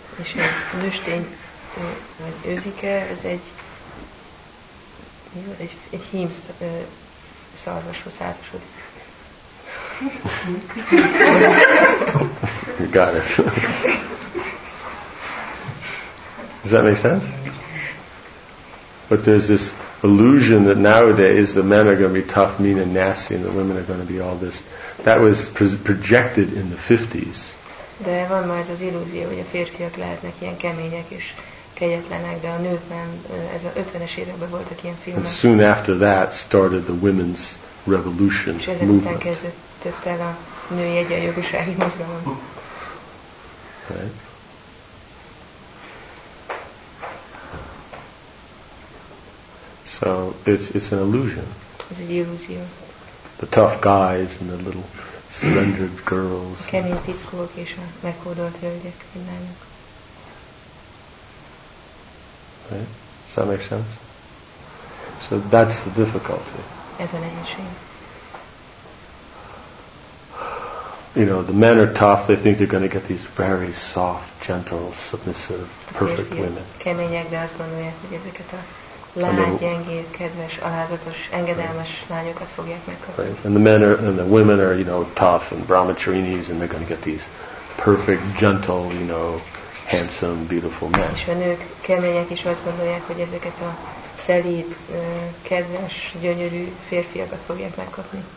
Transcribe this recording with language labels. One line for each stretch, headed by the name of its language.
English: You got it. Does that make sense? But there's this illusion that nowadays the men are going to be tough, mean and nasty and the women are going to be all this. That was projected in the 50s.
Hungarian: De van már ez az illúzió, hogy a férfiak lehetnek ilyen kemények és kegyetlenek, de a nők nem, ez a 50-es években voltak ilyen filmek.
English: And soon after that started the women's revolution.
Hungarian: És ezek után kezdődött el a női egyenjogúsági mozgalom.
English: So it's an illusion. It's an illusion. The tough guys and the little slender girls.
Hungarian: Kemény pickók és a megkódolt hölgyek mindannyiuk.
English: Right? Does that make sense? So that's the difficulty.
Hungarian: Ez a nehézség.
English: You know, the men are tough. They think they're going to get these very soft, gentle, submissive, perfect women.
Hungarian: Kemények, de azt gondolják, hogy ezeket a lágy, gyengéd, kedves, alázatos, engedelmes lányokat fogják megkapni.
English: Right. And the men are, and the women are, you know, tough and brahmacharinis, and they're going to get these perfect, gentle, you know, handsome, beautiful men.
Hungarian: És a nők kemények is azt gondolják, hogy ezeket a szelíd, kedves, gyönyörű férfiakat fogják megkapni.